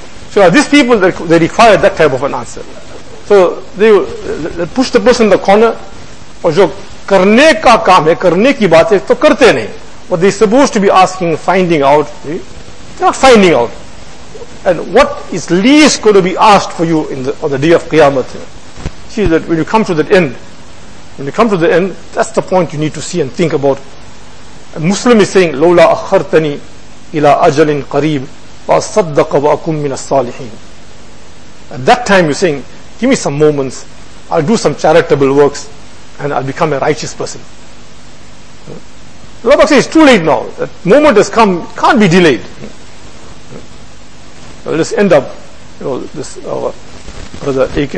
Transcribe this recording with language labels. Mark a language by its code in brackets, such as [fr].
[en] So these people, they require that type of an answer. So they push the person in the corner, or [ur] jo karne ka kaam hai, karne ki baat hai, to karte nahi. [en] What they're supposed to be asking, finding out, they're not finding out. And what is least going to be asked for you in the, on the day of Qiyamah? See that when you come to that end, when you come to the end, that's the point you need to see and think about. [ar] A Muslim is saying, لَوْلَا أَخَّرْتَنِي إِلَىٰ أَجَلٍ قَرِيبٍ وَأَصَّدَّقَ وَأَكُمْ مِنَ الصَّالِحِينَ. [en] At that time you're saying, give me some moments, I'll do some charitable works, and I'll become a righteous person. Allah says, it's too late now. That moment has come, it can't be delayed. Well, let's end up, you know, this brother A.K.